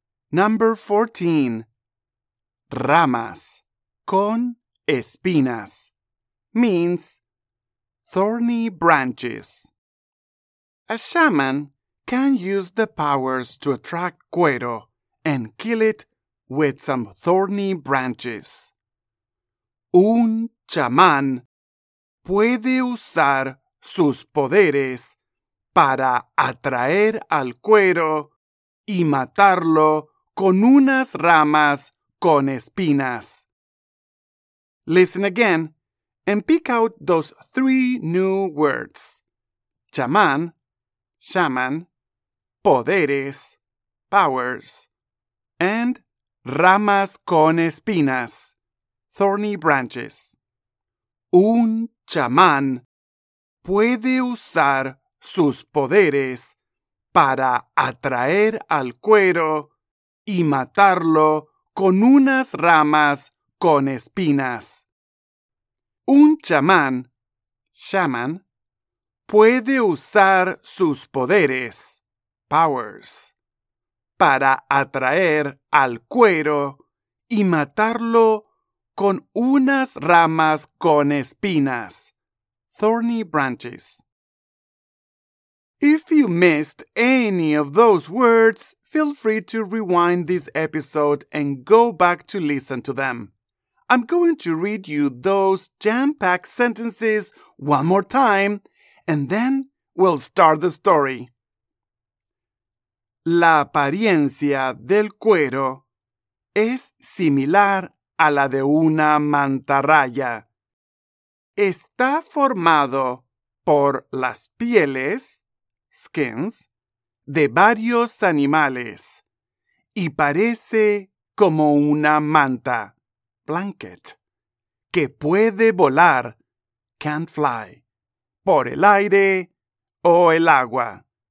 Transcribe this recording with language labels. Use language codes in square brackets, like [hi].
[en] Number 14. [es] Ramas con espinas [en] means thorny branches. A shaman can use the powers to attract cuero and kill it with some thorny branches. [es] Un chamán puede usar sus poderes para atraer al cuero y matarlo con unas ramas con espinas. [en] Listen again and pick out those three new words. Chamán, shaman, poderes, powers, and [es] ramas con espinas, [en] thorny branches. [es] Un chamán puede usar sus poderes para atraer al cuero y matarlo con unas ramas con espinas. Un chamán, shaman, puede usar sus poderes, powers, para atraer al cuero y matarlo con unas ramas con espinas, [en] thorny branches. If you missed any of those words, feel free to rewind this episode and go back to listen to them. I'm going to read you those jam-packed sentences one more time, and then we'll start the story. [es] La apariencia del cuero es similar a la de una mantarraya. Está formado por las pieles, skins, de varios animales y parece como una manta, blanket, que puede volar, [en] can fly, [es] por el aire o el agua.